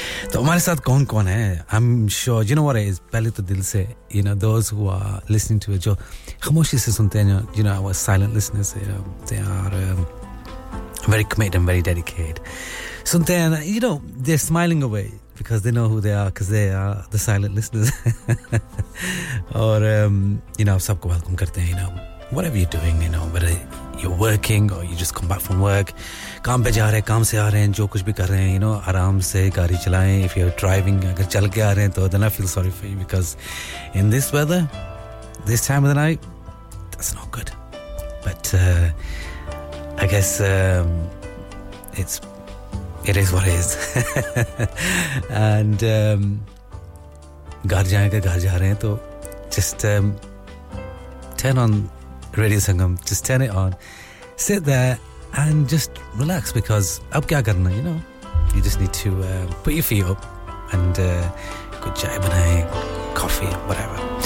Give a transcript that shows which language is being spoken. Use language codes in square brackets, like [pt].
[en] So, who is with us? I'm sure, you know what it is? [hi] Pehle to dil se, [en] you know, those who are listening to it, [hi] jo khamoshi se sunte hain, [en] you know, our silent listeners, you know, they are very committed and very dedicated. [hi] Sunte hain, [en] you know, they're smiling away because they know who they are, because they are the silent listeners. Or, you know, [hi] sabko welcome karte hain, [en] you know, whatever you're doing, you know, whether you're working or you just come back from work. [hi] काम पे जा रहे हैं, काम से आ रहे हैं, जो कुछ भी कर रहे हैं, you know, आराम से गाड़ी चलाएँ. [en] If you're driving, [hi] अगर चल के आ रहे हैं, तो, [en] then I feel sorry for you, because in this weather, this time of the night, that's not good. But I guess it is what it is. And [hi] घर जाए अगर घर जा रहे हैं, तो, [en] just turn on Radio Sangam, just turn it on, sit there and just relax, because [hi] अब क्या करना, [en] you know, you just need to put your feet up and good [hi] चाय बनाए, [en] coffee, whatever.